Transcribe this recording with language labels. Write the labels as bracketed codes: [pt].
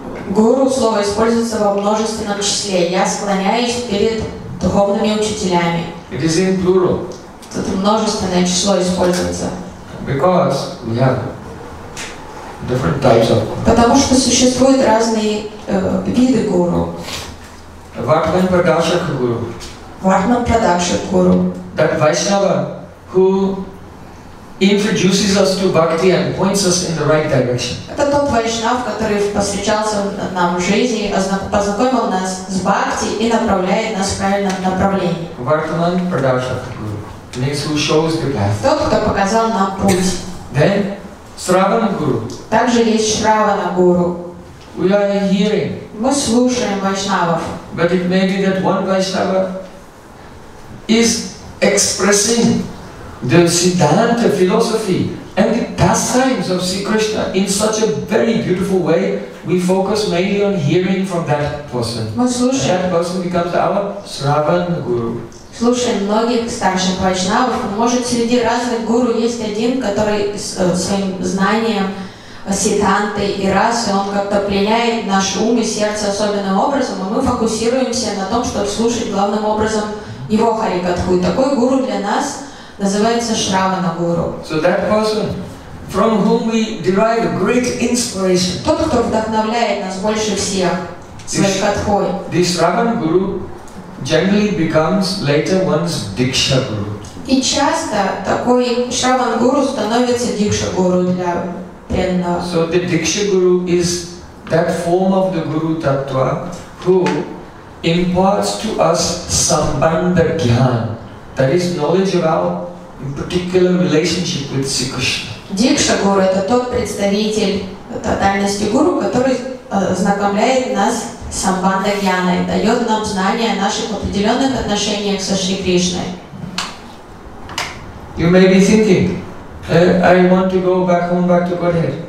[ru] Guru слово используется во множественном числе. Я склоняюсь перед духовными учителями. [en] It is in plural. [ru] Тут множественное число используется. [en] Because we have different types of guru. [ru] Потому что существуют разные виды гуру. [sa] Vartman Pradashak Guru. Vartman Pradashak Guru. [en] That Vaishnava who introduces us to bhakti and points us in the right direction. [ru] Это тот вайшнав, который посвящался нам в жизни, познакомил нас с бхакти и направляет нас в правильном направлении. [en] Vartman Pradashak Guru. Next, who shows the path. [ru] Тот, кто показал нам путь. [en] Then, Shravana Guru. [ru] Также есть Shravana Guru. [en] We are hearing. [ru] Мы слушаем вайшнавов. [en] But it may be that one vaishnava is expressing the Siddhanta philosophy and the pastimes of Sri Krishna in such a very beautiful way, we focus mainly on hearing from that person. That person becomes our Shravan Guru. [ru] Слушаем многих старших вайшнавов. Может, среди разных гуру есть один, который своим знанием Сиддханты и расы, он как-то пленяет наш ум и сердце особенным образом, и мы фокусируемся на том, чтобы слушать главным образом его харикатху. И такой гуру для нас называется Шравана Гуру. [en] So that person, from whom we derive great inspiration. [ru] Тот, кто вдохновляет нас больше всех своей катхой. [en] This Шравана Гуру generally becomes later one's Дикша Гуру. [ru] И часто такой Шравана Гуру становится Дикша Гуру для преданного. [en] So the Дикша Гуру is that form of the Guru Таттва who imparts to us Sambandha Gyan. That is knowledge about a particular relationship with Sri Krishna. [ru] Дикша Гуру – это тот представитель тотальности Гуру, который знакомляет нас с Самбандха Гьяной, дает нам знания о наших определенных отношениях со Шри Кришной. [en] You may be thinking, I want to go back home, back to Godhead.